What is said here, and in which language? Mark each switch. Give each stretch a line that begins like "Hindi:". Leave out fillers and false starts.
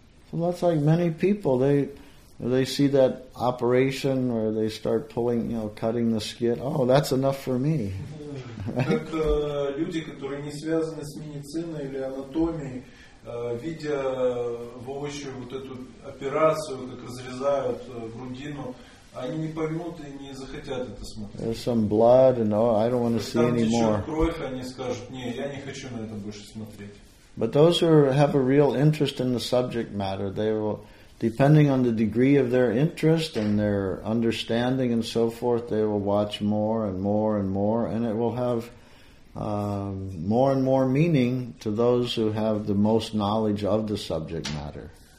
English: So that's like many people. They see that operation where they start pulling, cutting the skin. Oh, that's enough for me.
Russian: Как люди, которые не связаны с медициной или анатомией, видя воочию вот эту операцию, как разрезают грудину, они не поймут и не захотят это смотреть.
English: There's some blood, and I don't want to see anymore.
Russian: Там течет кровь, они скажут: не, я не хочу на это больше смотреть.
English: But those who have a real interest in the subject matter, depending on the degree of their interest and their understanding and so forth, they will watch more and more and more, and it will have more and more meaning to those who have the most knowledge of the subject matter.